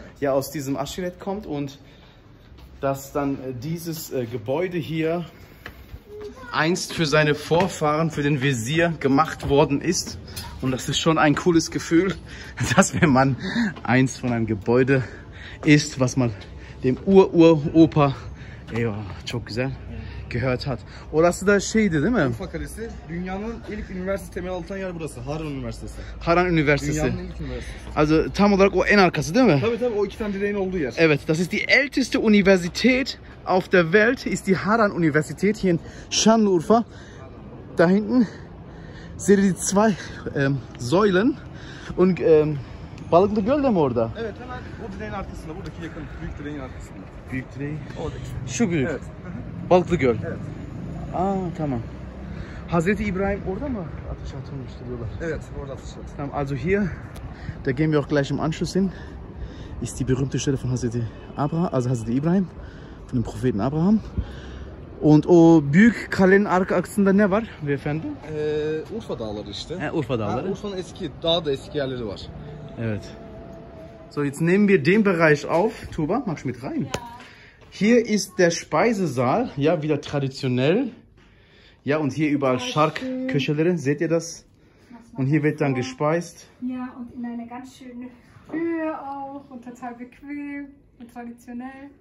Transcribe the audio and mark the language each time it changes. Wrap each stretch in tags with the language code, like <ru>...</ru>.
<de>Ja, aus diesem Aschiret kommt und dass dann dieses Gebäude hier einst für seine Vorfahren, für den Visier gemacht worden ist. Und das ist schon ein cooles Gefühl, dass wenn man einst von einem Gebäude ist, was man dem Ur-Ur-Opa</de> <tr>Eyvah, çok güzel.</tr> <de>Gehört hat.</de> <tr>Orası da şeydi değil mi? Urfa Kalesi. Dünyanın ilk üniversite temel altan yer burası. Harran Üniversitesi. Harran Üniversitesi. Dünyanın ilk üniversitesi. Also tam olarak o en arkası değil mi? Tabii tabii, o iki tane direğin olduğu yer.</tr> <de>Evet, das ist die älteste Universität auf der Welt, ist die Harran Universität hier in Şanlıurfa. Da hinten seht ihr die zwei Säulen und Balıklı Göl</de> <tr>de mi orada? Evet, hemen o direğin arkasında, buradaki yakın büyük direğin arkasında. Büyük direği? Oradaki. Şu büyük. Evet. Balıklı Göl. Evet. Aa, tamam. Hazreti İbrahim orada mı ateş atılmıştı diyorlar? Evet, orada ateş atılmıştı.</tr> <de>Tamam, also hier, da gehen wir auch gleich im Anschluss hin, ist die berühmte Stelle von Hazreti Abraham, also Hazreti İbrahim, von dem Propheten Abraham.</de> <tr>Und o büyük kalenin arka aksında ne var beyefendi? Urfa Dağları işte. He, Urfa Dağları. Ha, Urfa'nın eski, daha da eski yerleri var. Evet.</tr> <de>So, jetzt nehmen wir den Bereich auf. Tuba, magst du mit rein? Ja. Hier ist der Speisesaal, ja, wieder traditionell. Ja, und hier überall Schark-Köchelere, seht ihr das? Und hier wird dann gespeist. Ja, und in einer ganz schönen Höhe auch und total bequem und traditionell.</de>